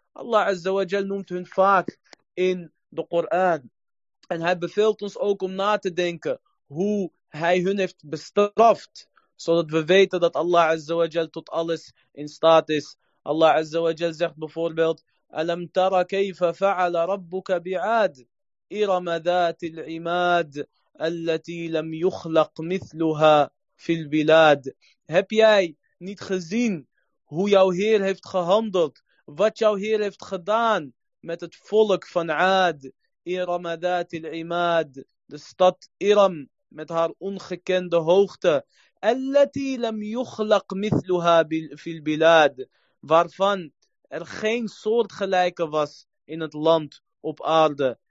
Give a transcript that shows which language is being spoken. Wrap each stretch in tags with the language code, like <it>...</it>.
<nl>Allah azza wa jal noemt hun vaak in de Koran. En hij beveelt ons ook om na te denken. Hoe hij hun heeft bestraft. Zodat we weten dat Allah azza wa jal tot alles in staat is. Allah azza wa jal zegt bijvoorbeeld.</nl> <ar>Alam tara kayfa fa'ala rabbuka bi'ad. إرم ذات العماد التي لم يخلق مثلها في البلاد.</ar> <nl>Heb jij niet gezien hoe jouw Heer heeft gehandeld, wat jouw Heer heeft gedaan met het volk van Aad?</nl> <ar>إرم ذات العماد,</ar> <nl>de stad Iram met haar ongekende hoogte,</nl> <ar>التي لم يخلق مثلها في البلاد,</ar> <nl>waarvan er geen soortgelijke was in het land op aarde.</nl>